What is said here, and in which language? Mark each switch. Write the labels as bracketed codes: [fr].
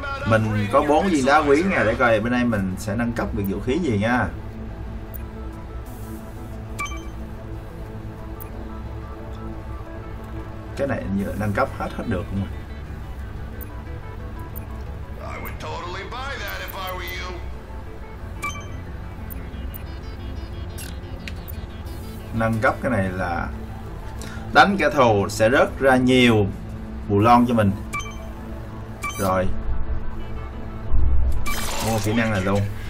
[vi] Mình có 4 viên đá quý nè. Để coi bên đây mình sẽ nâng cấp được vũ khí gì nha. Cái này như nâng cấp hết được không? [en] I would totally buy that if I were you. [vi] Nâng cấp cái này là đánh kẻ thù sẽ rớt ra nhiều bù lon cho mình. Rồi. Mua kỹ năng này luôn.